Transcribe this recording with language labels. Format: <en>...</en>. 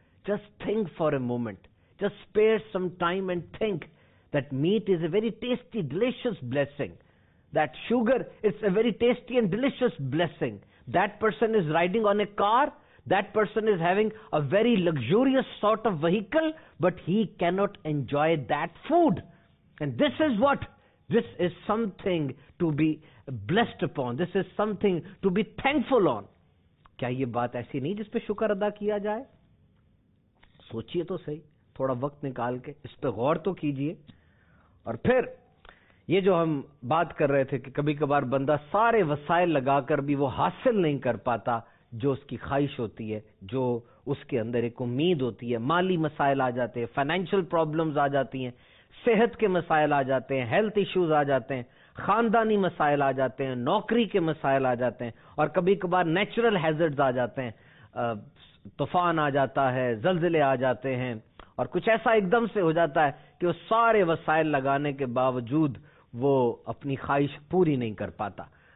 <en>Just think for a moment, just spare some time and think that meat is a very tasty delicious blessing, that sugar is a very tasty and delicious blessing, that person is riding on a car, that person is having a very luxurious sort of vehicle, but he cannot enjoy that food. And this is what? This is something to be blessed upon. This is something to be thankful on.</en> <hi>Kya ye baat aisi nahi jis pe shukr ada kiya jaye? Sochiye to sahi. Thoda waqt nikal ke. Is pe gaur to kijiye. Aur phir, ye jo hum baat kar rahe the, ki kabhi kabhar banda saare wasail laga kar bhi wo haasil nahin kar paata जो उसकी ख्वाहिश होती है, जो उसके अंदर एक उम्मीद होती है. माली मसाइल आ जाते हैं, फाइनेंशियल प्रॉब्लम्स आ जाती हैं, सेहत के मसाइल आ जाते हैं, हेल्थ इश्यूज आ जाते हैं, खानदानी मसाइल आ जाते हैं, नौकरी के मसाइल आ जाते हैं, और कभी कभार नेचुरल हैजर्ड्स आ जाते हैं. तूफान आ जाता है, जलजले आ जाते हैं, और कुछ ऐसा एकदम से हो जाता है कि वो सारे वसाइल लगाने के बावजूद वो अपनी ख्वाहिश पूरी नहीं कर पाता.</hi>